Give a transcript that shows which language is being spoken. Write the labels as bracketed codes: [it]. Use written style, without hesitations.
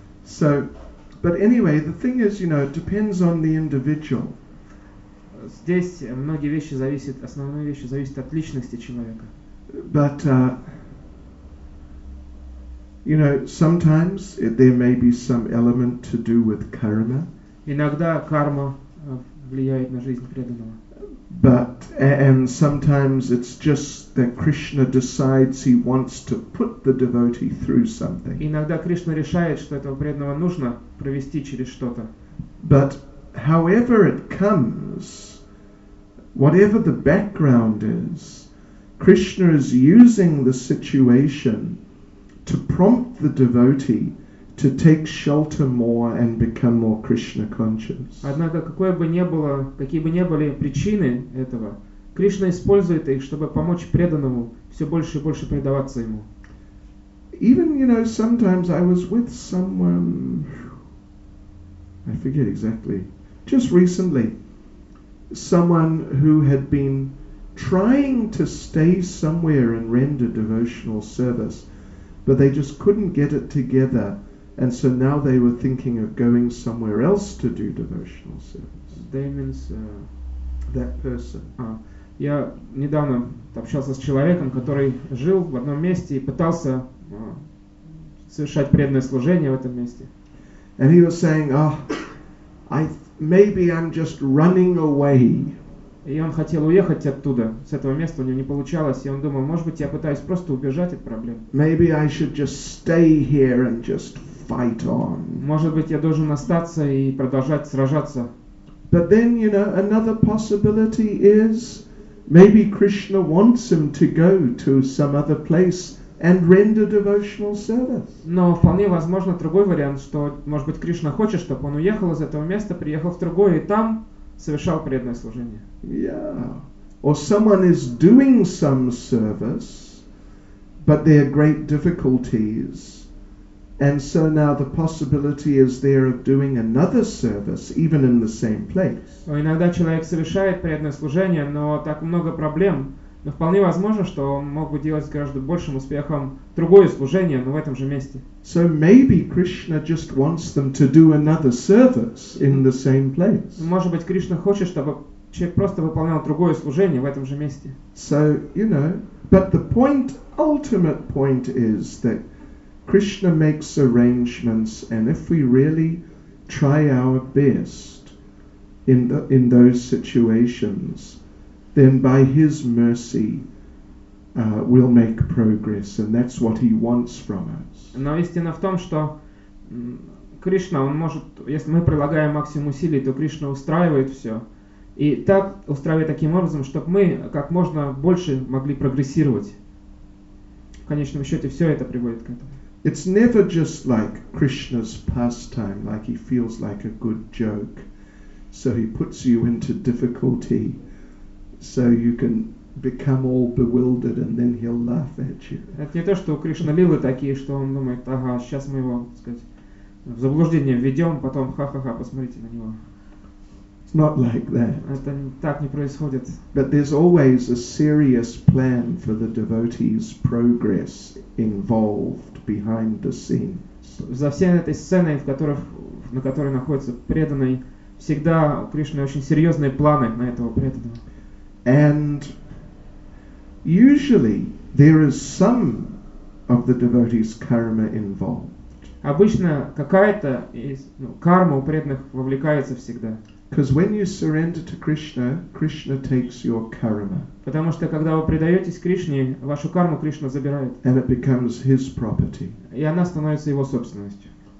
[en] So, but anyway, the thing is, you know, it depends on the individual. [ru] Здесь многие вещи зависят... Основные вещи зависят от личности человека. [en] But... You know, sometimes there may be some element to do with karma. [ru] Иногда карма влияет на жизнь преданного. [en] But and sometimes it's just that Krishna decides he wants to put the devotee through something. [ru] Иногда Кришна решает, что этого преданного нужно провести через что-то. [en] But however it comes, whatever the background is, Krishna is using the situation to prompt the devotee to take shelter more and become more Krishna conscious. [ru] Однако какое бы ни было, какие бы ни были причины этого, Кришна использует их, чтобы помочь преданному все больше и больше предаваться ему. [en] Even, you know, sometimes I was with someone, I forget exactly, just recently, someone who had been trying to stay somewhere and render devotional service. But they just couldn't get it together, and so now they were thinking of going somewhere else to do devotional service. That means that person. [ru] Я недавно общался с человеком, который жил в одном месте и пытался совершать преданное служение в этом месте. [en] And he was saying, "Oh, I maybe I'm just running away. [ru] И он хотел уехать оттуда, с этого места, у него не получалось, и он думал, может быть, я пытаюсь просто убежать от проблем. [en] Maybe I should just stay here and just fight on. [ru] Может быть, я должен остаться и продолжать сражаться. [en] But then, you know, another possibility is maybe Krishna wants him to go to some other place and render devotional service. [ru] Но вполне возможно другой вариант, что, может быть, Кришна хочет, чтобы он уехал из этого места, приехал в другое и там совершал преданное служение. [en] Yeah. Or someone is doing some service, but there are great difficulties. And so now the possibility is there of doing another service, even in the same place. [ru] Иногда человек совершает преданное служение, но так много проблем. Но вполне возможно, что он мог бы делать с гораздо большим успехом другое служение, но в этом же месте. [en] So maybe Krishna just wants them to do another service in the same place. [ru] Может быть, Кришна хочет, чтобы человек просто выполнял другое служение в этом же месте. [en] So, you know, but the point, ultimate point is that Krishna makes arrangements, and if we really try our best in those situations, then by His mercy, we'll make progress, and that's what He wants from us. [ru] Но истина в том, что Кришна, он может, если мы прилагаем максимум усилий, то Кришна устраивает все, и так устраивает таким образом, чтобы мы как можно больше могли прогрессировать. В конечном счете, все это приводит к этому. [en] It's never just like Krishna's pastime, like he feels like a good joke. So he puts you into difficulty so you can become all bewildered and then he'll laugh at you. [ru] Это не то, что у Кришны лилы такие, что он думает, ага, сейчас мы его, так сказать, в заблуждение введем, потом ха-ха-ха, посмотрите на него. [en] It's not like that. [ru] Это так не происходит. [en] But there's always a serious plan for the devotee's progress involved. Behind the scenes. [ru] За всей этой сценой, на которой находится преданный, всегда у Кришны очень серьезные планы на этого преданного. [en] And usually there is some of the devotee's karma involved. [ru] Обычно какая-то из, ну, карма у преданных вовлекается всегда. [en] Because when you surrender to Krishna, Krishna takes your karma. [ru] Потому что когда вы предаетесь Кришне, вашу карму Кришна забирает. [en] And it becomes His property. [ru] И она становится Его собственностью.